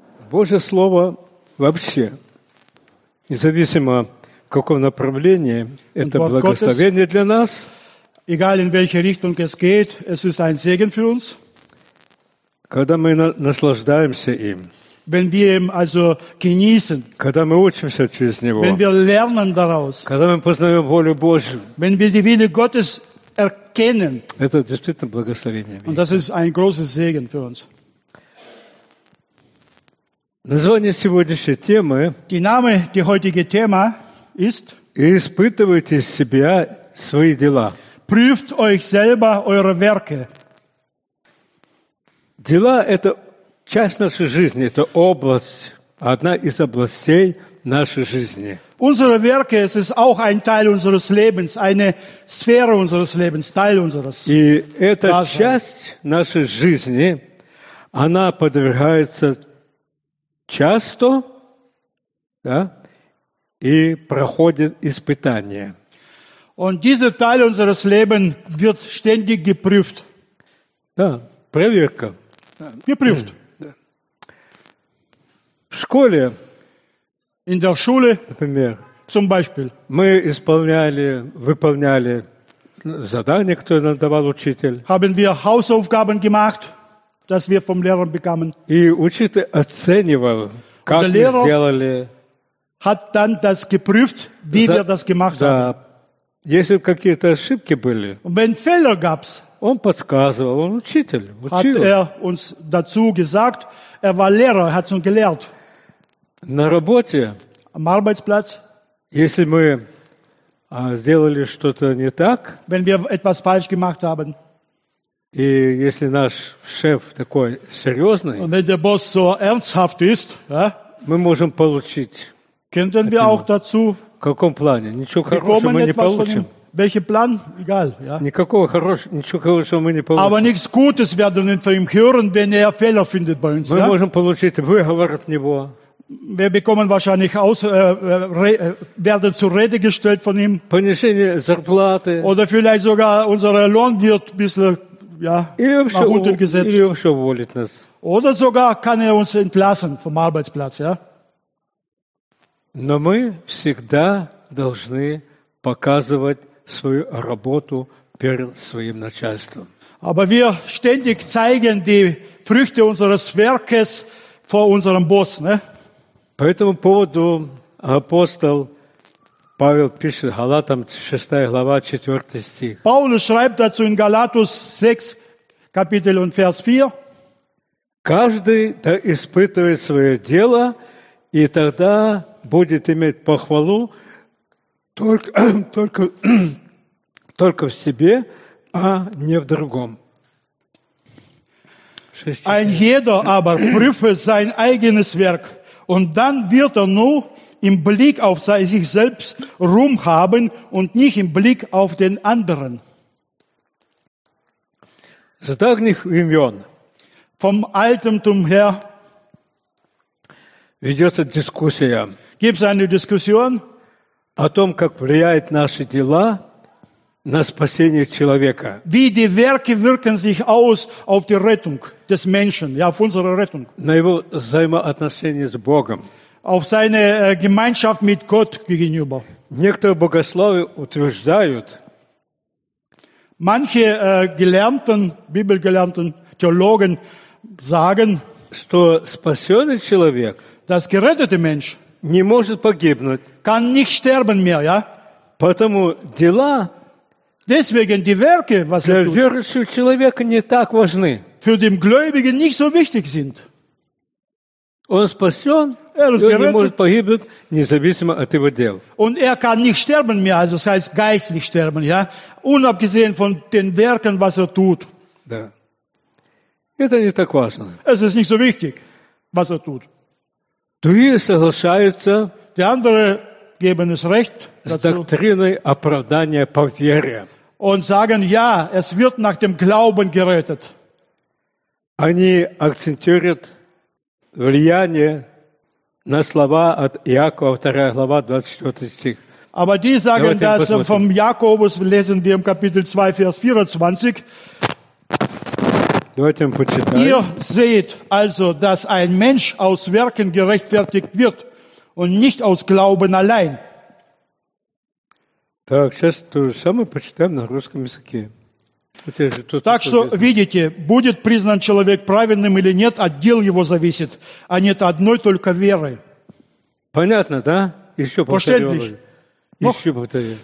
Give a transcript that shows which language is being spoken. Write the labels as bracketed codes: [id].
[ru] Божье Слово вообще, независимо в каком направлении, это благословение для нас. [de] Egal in welche Richtung es geht, es ist ein Segen für uns. [ru] Когда мы наслаждаемся им. [de] Wenn wir ihn also genießen. [ru] Когда мы учимся через него. [de] Wenn wir lernen daraus. [ru] Когда мы познаем волю Божью. [de] Wenn wir die Wille Gottes erkennen. [ru] Это действительно благословение. [de] Und das ist ein großes Segen für uns. [ru] Название сегодняшней темы. [de] Die Name, die heutige Thema ist. [ru] И испытывайте себя свои дела. [de] Prüft euch selber eure Werke. [ru] Дела – это часть нашей жизни, это область, одна из областей нашей жизни. [de] Unsere Werke – es auch ein Teil unseres Lebens, eine Sphäre unseres Lebens, Teil unseres. [ru] И эта часть нашей жизни, она подвергается часто, да, и проходит испытания. [de] Und dieser Teil unseres Lebens wird ständig geprüft. [ru] Да, проверка. [de] Geprüft. [ru] В школе. [de] In der Schule. [ru] Например. [de] Zum Beispiel. [ru] Мы выполняли задание, которое нам давал учитель. [de] Haben wir Hausaufgaben gemacht, das wir vom Lehrer bekamen. [ru] И учитель оценивал, как мы сделали. [de] Hat dann das geprüft, wie wir das gemacht haben. [ru] Если какие-то ошибки были, [de] gab's, [ru] он подсказывал, он учитель, учил. [de] Hat uns dazu gesagt, war Lehrer, hat uns gelehrt. [ru] На работе, [de] am Arbeitsplatz, [ru] если мы сделали что-то не так, [de] wenn wir etwas falsch gemacht haben, [ru] и если наш шеф такой серьезный, [de] und wenn der Boss so ernsthaft ist, ja, [ru] мы можем получить. [de] Könnten wir auch dazu [ru] в каком плане? Ничего хорошего мы не получим. [de] Welcher Plan? Egal. Ja. [ru] Никакого хорошего, ничего хорошего мы не получим. [de] Aber nichts Gutes werden wir von ihm hören, wenn Fehler findet bei uns. [ru] Мы можем получить выговор от него. [de] Wir bekommen wahrscheinlich aus, werden zur Rede gestellt von ihm. [ru] Понижение зарплаты. [de] Oder vielleicht sogar unser Lohn wird ein bisschen, ja, [ru] вообще, [de] nach unten gesetzt. [ru] Или вообще уволит нас. [de] Oder sogar kann uns entlassen vom Arbeitsplatz, ja. [ru] Но мы всегда должны показывать свою работу перед своим начальством. [de] Aber wir ständig zeigen die Früchte unseres Werkes vor unserem Boss, ne? [ru] По этому поводу апостол Павел пишет Галатам 6 глава 4 стих. [de] Paulus schreibt dazu in Galatus 6 Kapitel und Vers 4. [ru] Каждый да испытывает свое дело, и тогда будет иметь похвалу только в себе, а не в другом. [de] Ein jeder aber prüfe sein eigenes Werk, und dann wird nur im Blick auf sich selbst Ruhm haben und nicht im Blick auf den anderen. [ru] С давних времен. [de] Vom Altentum her [ru] ведется дискуссия. [de] Gibt es eine Diskussion [ru] о том, как влияют наши дела на спасение человека? [de] Wie die Werke wirken sich aus auf die Rettung des Menschen, ja, auf unsere Rettung. [ru] На его взаимоотношения с Богом. [de] Auf seine Gemeinschaft mit Gott gegenüber. [ru] Некоторые богословы утверждают. [de] Manche gelernten, Bibelgelernten Theologen sagen, [ru] что спасенный человек, [de] dass gerettete Mensch [ru] не может погибнуть. [de] Kann nicht sterben mehr, ja? [ru] Потому дела [de] deswegen die Werke, was [ru] для верующего человека не так важны. [de] Für den Gläubigen nicht so wichtig sind. [ru] Он спасен, и он не может погибнуть, независимо от его дел. [de] Und kann nicht sterben mehr, also das heißt geistlich sterben, ja? Unabgesehen von den Werken, was tut. [ru] Да. Это не так важно. [de] Es ist nicht so wichtig, was tut. [ru] Другие соглашаются. [de] Die andere geben es recht [ru] с доктриной оправдания по вере. [de] Und sagen, ja, es wird nach dem Glauben gerettet. [ru] Они акцентируют влияние на слова от Иакова, 2 глава, 24 стих. [de] Aber die sagen, dass vom Jakobus lesen wir im Kapitel 2, Vers 24. [ru] Давайте мы почитаем. [de] Ihr seht also, dass ein Mensch aus Werken gerechtfertigt wird und nicht aus Glauben allein. [ru] Так, сейчас то же самое почитаем на русском языке. Так что, видите, будет признан человек правильным или нет, от дел его зависит, а не от одной только веры. Понятно, да? Еще повторю. Еще повторю.